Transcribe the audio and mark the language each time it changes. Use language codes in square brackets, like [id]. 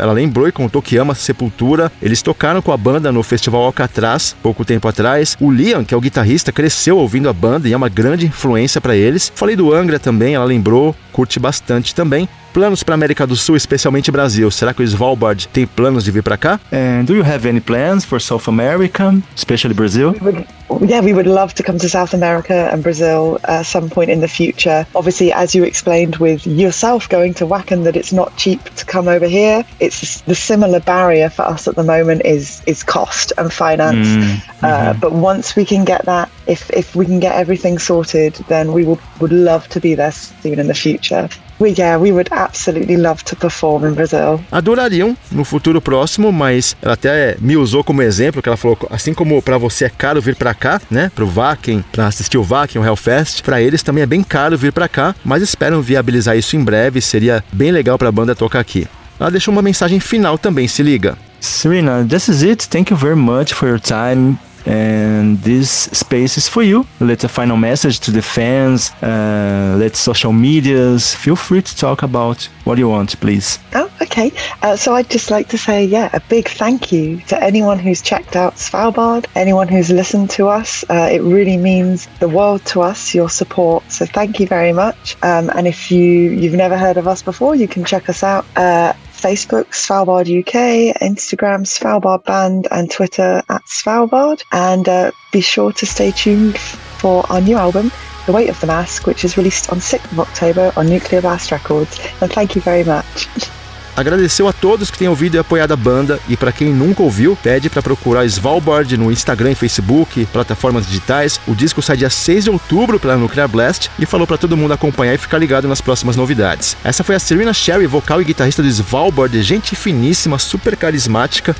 [pt] Ela lembrou e contou que ama Sepultura. Eles tocaram com a banda no Festival Alcatraz, pouco tempo atrás. O Liam, que é o guitarrista, cresceu ouvindo a banda e é uma grande influência pra eles. Falei do Angra também, ela lembrou, curte bastante também. Planos para América do Sul, especialmente Brasil. Será que o Svalbard tem planos de vir para cá? [en] And do you have any plans for South America, especially Brazil? We would love to come to South America and Brazil at some point in the future. Obviously, as you explained with yourself going to Wacken, that it's not cheap to come over here. It's the similar barrier for us at the moment is cost and finance. But once we can get that, if we can get everything sorted, then we would love to be there soon in the future. We would absolutely love to perform in Brazil. [pt] Adorariam no futuro próximo, mas ela até me usou como exemplo, que ela falou, assim como para você é caro vir para cá, né, pro Wacken, para assistir o Wacken, o Hellfest, para eles também é bem caro vir para cá, mas esperam viabilizar isso em breve, seria bem legal para a banda tocar aqui. Ela deixou uma mensagem final também, se liga. [en] Serena, this is it. Thank you very much for your time. And this space is for you. Let a final message to the fans, let social medias, feel free to talk about what you want, please. Oh, okay. So I'd just like to say, a big thank you to anyone who's checked out Svalbard, anyone who's listened to us. It really means the world to us, your support. So thank you very much. And if you've never heard of us before, you can check us out. Facebook Svalbard UK, Instagram Svalbard Band, and Twitter @Svalbard. And be sure to stay tuned for our new album, The Weight of the Mask, which is released on 6th of October on Nuclear Blast Records. And thank you very much. [pt] Agradeceu a todos que têm ouvido e apoiado a banda, e para quem nunca ouviu, pede para procurar Svalbard no Instagram e Facebook, plataformas digitais. O disco sai dia 6 de outubro pela Nuclear Blast e falou para todo mundo acompanhar e ficar ligado nas próximas novidades. Essa foi a Serena Sherry, vocal e guitarrista do Svalbard, gente finíssima, super carismática.